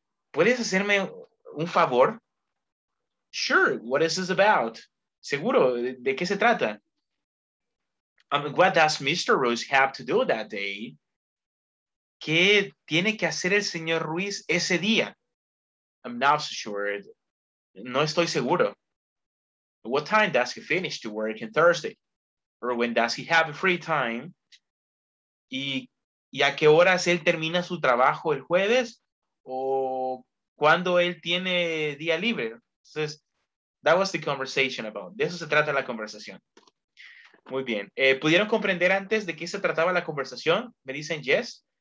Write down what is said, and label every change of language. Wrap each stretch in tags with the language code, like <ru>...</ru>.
<es>¿Puedes hacerme un favor?</es> <en>Sure, what is this about?</en> <es>Seguro, ¿de qué se trata?</es> <en>What does Mr. Ruiz have to do that day?</en> <es>¿Qué tiene que hacer el señor Ruiz ese día?</es> <en>I'm not so sure.</en> <es>No estoy seguro.</es> <en>What time does he finish to work on Thursday? Or when does he have free time?</en> <es>¿Y a qué horas él termina su trabajo el jueves? ¿O cuándo él tiene día libre? Entonces,</es> <en>that was the conversation about.</en> <es>De eso se trata la conversación. Muy bien. ¿Pudieron comprender antes de qué se trataba la conversación? ¿Me dicen yes?</es>